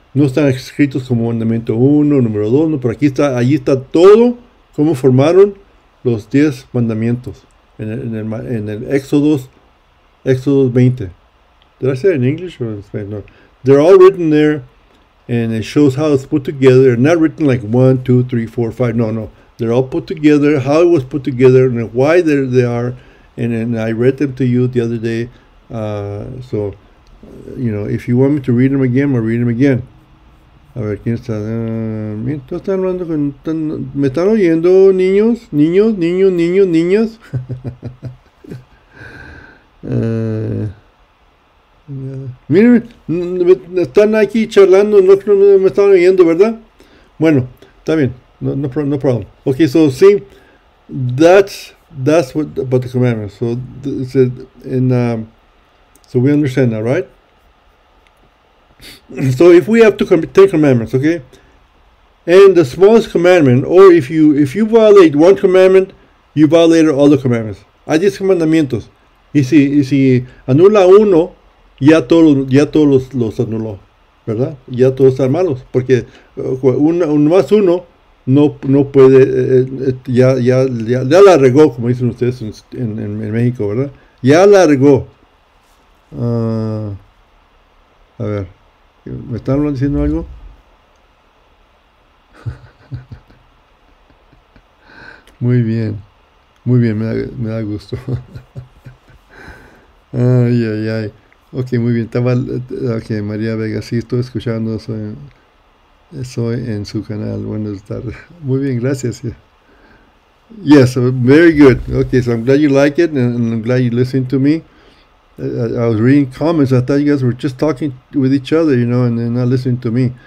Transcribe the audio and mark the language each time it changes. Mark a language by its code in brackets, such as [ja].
[es] No están escritos como mandamiento 1, número 2, no, pero aquí está, allí está todo cómo formaron los 10 mandamientos en el Exodus 20. [en] Did I say it in English or in Spanish? No. They're all written there. And it shows how it's put together, not written like 1, 2, 3, 4, 5. No, no. They're all put together, how it was put together, and why they are. And I read them to you the other day. So, you know, if you want me to read them again, I'll read them again. [es] A ver, ¿quién está? ¿Están hablando con...? ¿Me están oyendo, niños? ¿Niños? ¿Niños? ¿Niños? ¿Niñas? Miren, están aquí charlando, no me están oyendo, ¿verdad? Bueno, está bien, [en] no problem. Ok, so sí, that's what about the commandments. So it's in so we understand that, right? So if we have to take commandments, okay, and the smallest commandment, or if you violate one commandment, you violate all the commandments. [es] Hay 10 mandamientos. Y si anula uno, Ya todos los anuló, ¿verdad? Ya todos están malos, porque más uno no puede, ya la regó, como dicen ustedes en México, ¿verdad? Ya la regó. A ver, ¿me están diciendo algo? Muy bien, me da gusto. Ay, ay, ay. Ok, muy bien, estaba, ok, María Vega, sí, estoy escuchando, soy en su canal, buenas tardes, muy bien, gracias. [en] Yes, very good, ok, so I'm glad you like it, and I'm glad you listen to me, I was reading comments. I thought you guys were just talking with each other, you know, and then not listening to me.